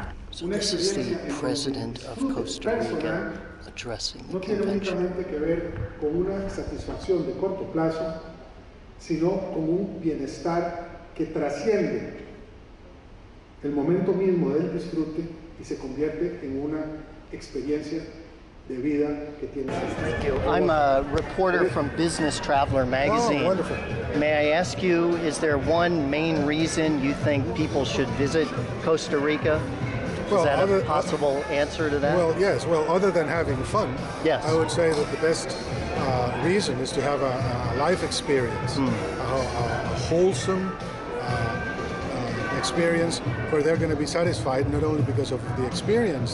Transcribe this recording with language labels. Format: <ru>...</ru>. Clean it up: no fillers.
<en>So this is the president of Costa Rica addressing the convention.</en> <es>No tiene únicamente que ver con una satisfacción de corto plazo, sino con un bienestar que trasciende el momento mismo del disfrute y se convierte en una experiencia de vida que tiene sentido.</es> <en>Thank you. I'm a reporter from Business Traveler magazine. Oh, wonderful. May I ask you, is there one main reason you think people should visit Costa Rica? Well, is that a possible answer to that? Well, yes. Well, other than having fun, yes. I would say that the best reason is to have a life experience, a wholesome experience where they're going to be satisfied not only because of the experience</en>